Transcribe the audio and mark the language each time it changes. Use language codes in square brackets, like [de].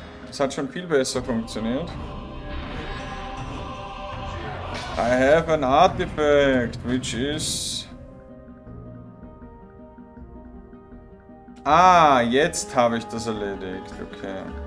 [de] Es hat schon viel besser funktioniert. [en] I have an artifact, which is... [de] Ah, jetzt habe ich das erledigt, okay.